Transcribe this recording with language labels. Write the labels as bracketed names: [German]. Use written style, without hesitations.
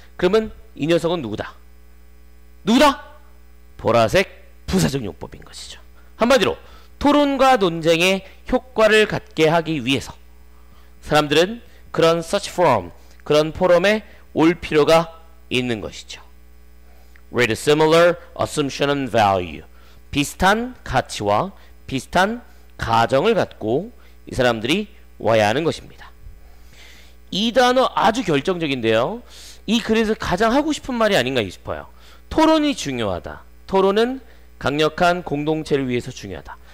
[Korean] 그러면 이 녀석은 누구다? 누구다? 보라색 부사적 용법인 것이죠. 한마디로 토론과 논쟁의 효과를 갖게 하기 위해서 사람들은 그런 search forum, 그런 포럼에 올 필요가 있는 것이죠. [English] With a similar assumption and value. [Korean] 비슷한 가치와 비슷한 가정을 갖고 이 사람들이 와야 하는 것입니다. 이 단어 아주 결정적인데요. 이 글에서 가장 하고 싶은 말이 아닌가 싶어요. 토론이 중요하다. 토론은 강력한 공동체를 위해서 중요하다.